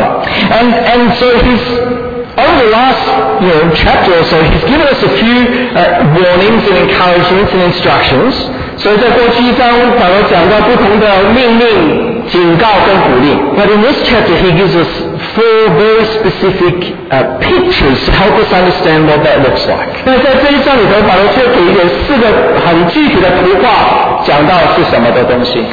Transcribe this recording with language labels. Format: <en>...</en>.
<en>And so he's, obviously the last chapter or so, he's given us a few warnings and encouragements and instructions. So</en> <zh>在过去一章，保罗讲到不同的命令。</zh> <en>But in this chapter, he gives us four very specific pictures to help us understand what that looks like.</en> <zh>那在这一章里头，保罗却给有四个很具体的图画，讲到是什么的东西。</zh>